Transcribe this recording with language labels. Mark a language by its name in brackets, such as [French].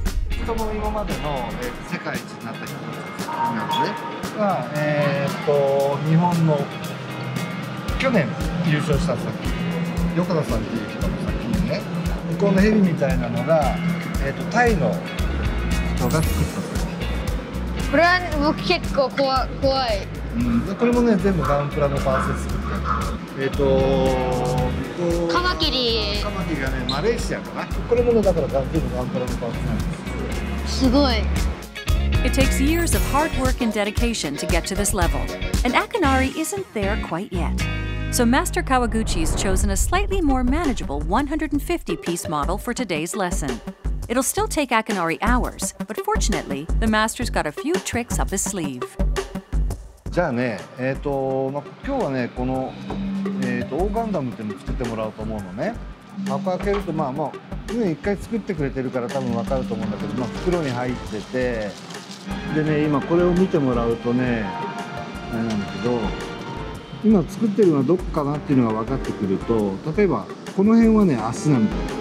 [Japanese] 人も今までの、世界一になった人なので、まあ日本の去年優勝した作品、横田さんっていう人の作品ね、このヘビみたいなのが、タイの人が作ったんです。これは僕結構怖い、うん、これもね、全部ガンプラのパーツで作ってる。カマキリ、カマキリがね、マレーシアかな。これもね、だから全部ガンプラのパーツなんです。すごい。 [English] It takes years of hard work and dedication to get to this level, and Akinari isn't there quite yet. So Master Kawaguchi's chosen a slightly more manageable 150-piece model for today's lesson. It'll still take Akinari hours, but fortunately, the master's got a few tricks up his sleeve. [Japanese] じゃあね、今日はね、この、オーガンダムっていうのを作ってもらおうと思うのね。箱開けると、まあもう、ね、一回作ってくれてるから多分わかると思うんだけど、まあ、袋に入ってて、でね、今これを見てもらうとね、あれなんだけど、今作ってるのはどこかなっていうのが分かってくると、例えばこの辺はね、足なんだよ。